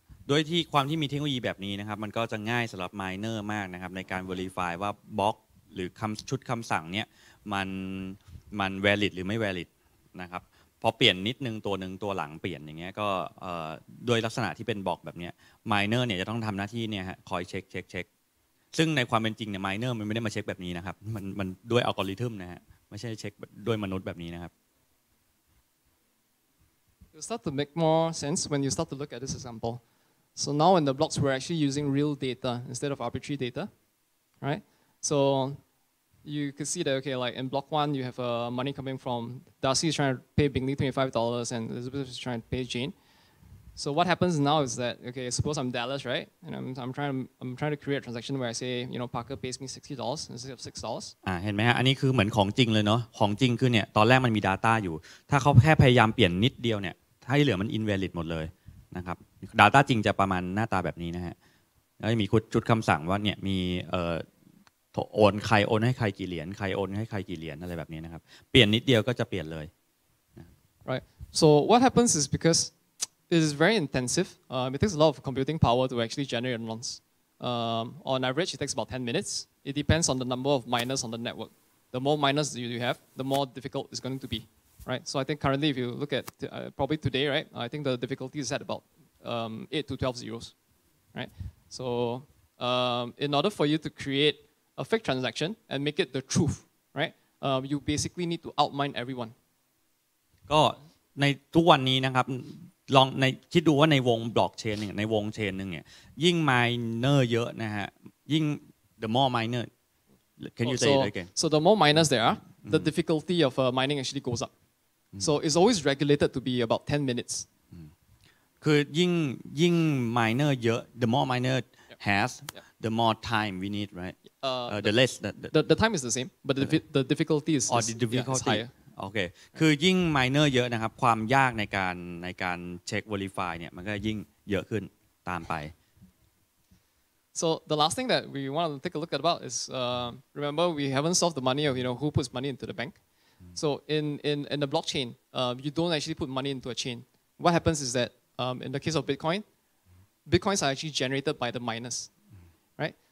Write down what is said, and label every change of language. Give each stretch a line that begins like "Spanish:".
Thai: ด้วยที่ความที่มีเทคโนโลยีแบบนี้นะครับมันก็จะง่ายสำหรับไมเนอร์มากนะครับในการ verify ว่าบล็อกหรือคำชุดคำสั่งเนี้ยมัน valid หรือไม่ valid นะครับพอเปลี่ยนนิดนึงตัวหนึ่งตัวหลังเปลี่ยนอย่างเงี้ยก็โดยลักษณะที่เป็นบล็อกแบบนี้ไมเนอร์เนี่ยจะต้องทำหน้าที่เนี่ยฮะคอยเช็คซึ่งในความเป็นจริงเนี่ยไมเนอร์มันไม่ได้มาเช็คแบบนี้นะครับมันด้วยอัลกอริทึมนะฮะไม่ใช่เช็คด้วยมนุษย์แบบนี้นะครับ
English: You start to make more sense when you start to look at this example. So now in the blocks, we're actually using real data instead of arbitrary data, right? So you can see that, okay, like in block one, you have money coming from Darcy is trying to pay Bingley $25 and Elizabeth is trying to pay Jane. So what happens now is that, okay, suppose I'm Dallas, right? And I'm trying to create a transaction where I say, you know, Parker pays me $60 instead of $6.
Thai: เห็นไหมฮะอันนี้คือเหมือนของจริงเลยเนาะของจริงคือเนี่ยตอนแรกมันมี data อยู่ถ้าเขาแค่พยายามเปลี่ยนนิดเดียวเนี่ยถ้าที่เหลือมัน invalid หมดเลยนะครับ data จริงจะประมาณหน้าตาแบบนี้นะฮะแล้วมีชุดคำสั่งว่าเนี่ยมีโอนใครโอนให้ใครกี่เหรียญใครโอนให้ใครกี่เหรียญอะไรแบบนี้นะครับเปลี่ยนนิดเดียวก็จะเปลี่ยนเลย
English: right so what happens is because it is very intensive it takes a lot of computing power to actually generate nonce on average it takes about 10 minutes it depends on the number of miners on the network the more miners you have the more difficult it's going to be right so I think currently if you look at probably today right I think the difficulty is at about 8 to 12 zeros, right? So in order for you to create a fake transaction and make it the truth, right? You basically need to outmine everyone.
Thai: ก็ในทุกวันนี้นะครับลองในคิดดูว่าในวงบล็อกเชนเนี่ยในวงเชนนึงเนี่ยยิ่ง miner เยอะนะฮะยิ่ง
English: the more miner can you say it again? So the more miners there are, the difficulty of mining actually goes up. So it's always regulated to be about 10 minutes.
Thai: คือยิ่ง miner เยอะ
English: the more miner has the more time we need, right? The less the time is the same, but the difficulty is higher. Okay.
Thai: คือยิ่ง miner เยอะนะครับความยากในการเช็ค verify เนี่ยมันก็ยิ่งเยอะขึ้นตามไป
English: So the last thing that we want to take a look at about is remember we haven't solved the money of you know who puts money into the bank. So in the blockchain, you don't actually put money into a chain. What happens is that in the case of Bitcoin, Bitcoins are actually generated by the miners, right?